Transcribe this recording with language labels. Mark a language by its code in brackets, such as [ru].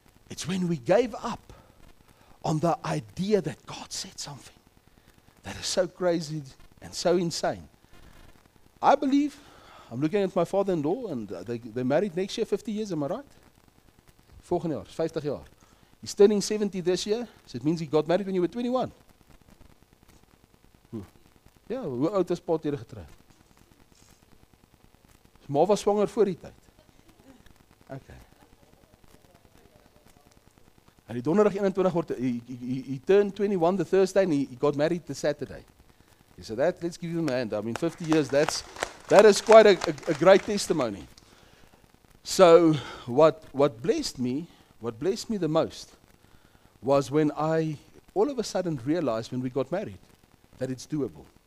[en] It's when we gave up on the idea that God said something that is so crazy and so insane. I believe, I'm looking at my father-in-law, and they're married next year, 50 years, am I right? [nl] Volgende jaar, 50 jaar. [en] He's turning 70 this year, so it means he got married when you were 21. [nl] Ja, hoe oud is Paul hier getrouwd? Ma was zwanger voor die tijd. Okay. En die donderdag 21 wordt, [en] he turned 21 the Thursday, and he got married the Saturday. He said that, let's give him a hand. I mean, 50 years, that is quite a great testimony. So, what blessed me the most was when I all of a sudden realized when we got married that it's doable.